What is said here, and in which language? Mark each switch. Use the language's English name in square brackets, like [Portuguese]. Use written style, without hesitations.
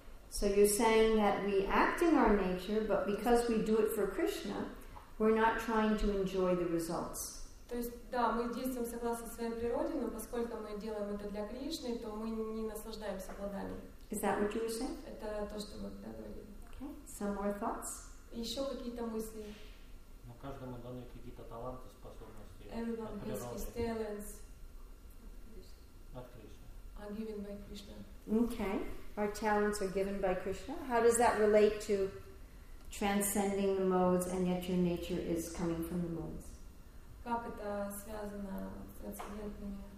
[English] So you're saying that we act in our nature, but because we do it for Krishna, we're not trying to enjoy the results. [Russian] То есть, да, мы действуем согласно своей природе, но поскольку мы делаем это для Кришны, то мы не наслаждаемся плодами. [English] Is that what you were saying? [Russian] Это то, что мы говорили. [English] Okay. Some more thoughts? [Russian] Еще какие-то мысли? Ну, каждому даны какие-то таланты, способности. [English] Everyone has his talents. [Russian] От Кришны. [English] Are given by Krishna. Okay. Our talents are given by Krishna. How does that relate to transcending the modes and yet your nature is coming from the modes? [Russian] Как это связано с трансцендентными?